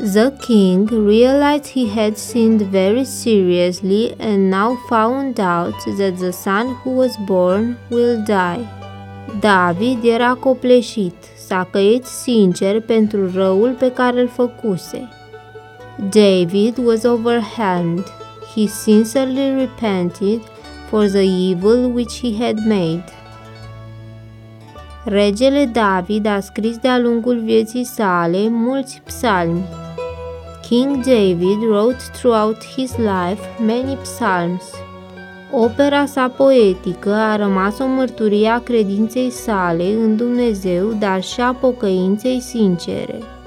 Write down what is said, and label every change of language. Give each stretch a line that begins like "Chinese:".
English: The king realized he had sinned very seriously and now found out that the son who was born will die.
Romanian: David era copleșit, s-a căit sincer pentru răul pe care îl făcuse.
English: David was overwhelmed. He sincerely repented for the evil which he had made.
Romanian: Regele David a scris de-a lungul vieții sale mulți psalmi.
English: King David wrote throughout his life many psalms.
Romanian: Opera sa poetică a rămas o mărturie a credinței sale în Dumnezeu, dar și a pocăinței sincere.